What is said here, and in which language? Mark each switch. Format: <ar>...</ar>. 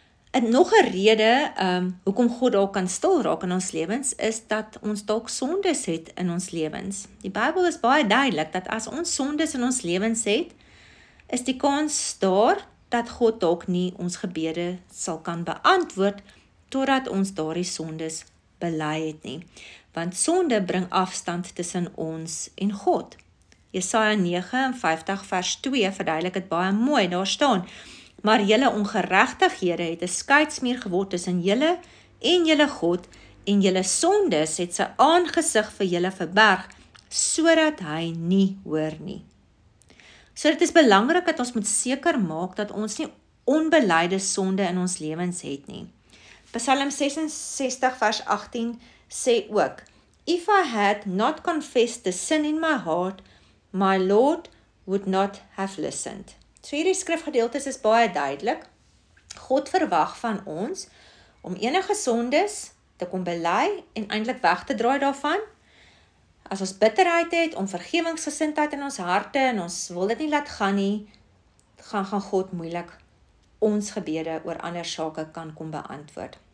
<af>En nog 'n rede hoekom God dalk kan stil raak in ons lewens is dat ons dalk sondes het in ons lewens. Die Bybel is baie duidelik dat as ons sondes in ons lewens het, is die kans daar dat God dalk nie ons gebede sal kan beantwoord totdat ons daardie sondes bely het nie. Want sonde bring afstand tussen ons en God. Jesaja 59 vers 2 verduidelik dit baie mooi. Daar staan: maar julle ongeregtighede het 'n skeidsmuur geword tussen julle en julle God, en julle sondes het sy aangesig vir julle verberg, sodat hy nie hoor nie. So dit is belangrik dat ons moet seker maak dat ons nie onbeleide sonde in ons lewens het nie. Psalm 66 vers 18 sê ook:</af> <en>if I had not confessed the sin in my heart, my Lord would not have listened.</en> <af>So hierdie skrifgedeeltes is baie duidelik. God verwag van ons om enige sondes te kom bely en eintlik weg te draai daarvan. As ons bitterheid het, om vergewingsgesindheid in ons harte en ons wil dit nie laat gaan nie, gaan God moeilik ons gebede oor ander sake kan kom beantwoord.</af>